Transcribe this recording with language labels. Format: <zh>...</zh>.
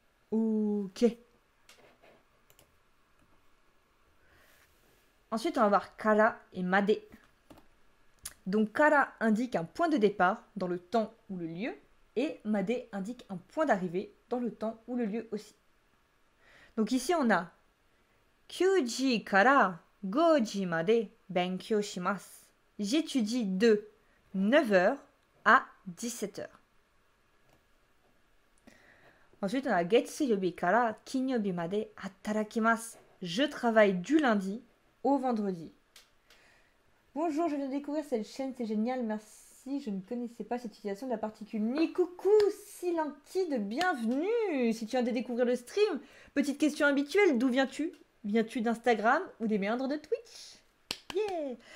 <fr>Ok. Ensuite, on va voir Kara et Made. Donc, Kara indique un point de départ dans le temps ou le lieu, et Made indique un point d'arrivée dans le temps ou le lieu aussi. Donc ici on a</fr> <ja>9時から5時まで勉強します。</ja> <fr>J'étudie de 9h à 17h. Ensuite on a</fr> <ja>月曜日から金曜日まで働きます。</ja> <fr>Je travaille du lundi au vendredi. Bonjour, je viens de découvrir cette chaîne, c'est génial, merci. Je ne connaissais pas cette utilisation de la particule ni. Coucou, Silenti de bienvenue. Si tu viens de découvrir le stream, petite question habituelle, d'où viens-tu? Viens-tu d'Instagram ou des méandres de Twitch? Yeah!</fr>